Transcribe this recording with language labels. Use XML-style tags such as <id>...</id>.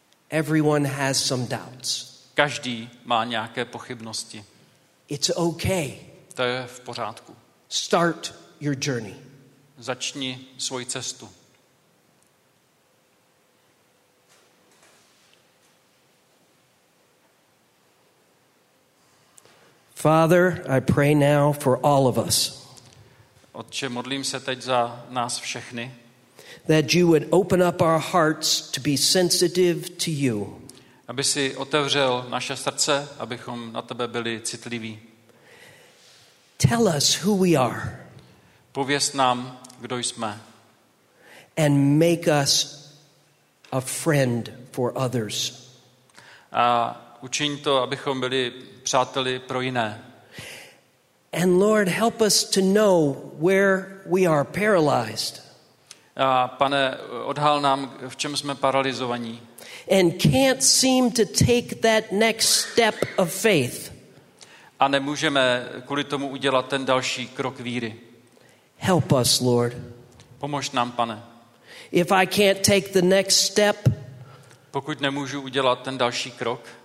<en>Everyone has some doubts.</en> <cs>Každý má nějaké pochybnosti.</cs> <en>It's okay.</en> <cs>To je v pořádku.</cs> <en>Start your journey.</en> <cs>Začni svoji cestu.</cs> <en>Father, I pray now for all of us.</en> <cs>Otče, modlím se teď za nás všechny.</cs> <en>That you would open up our hearts to be sensitive to you.</en> <cs>Aby si otevřel naše srdce, abychom na tebe byli citliví.</cs> <en>Tell us who we are.</en> <cs>Pověz nám, kdo jsme.</cs> <en>And make us a friend for others.</en> <cs>A učiň to, abychom byli přáteli pro jiné.</cs> <en>And Lord, help us to know where we are paralyzed.</en> <cs>A pane, odhal nám, v čem jsme paralyzovaní.</cs> <en>And can't seem to take that next step of faith.</en> <cs>A nemůžeme kvůli tomu udělat ten další krok víry.</cs> <en>Help us, Lord.</en> <cs>Pomož nám, pane.</cs> <en>If I can't take the next step,</en> <cs>pokud nemůžu udělat ten další krok,</cs>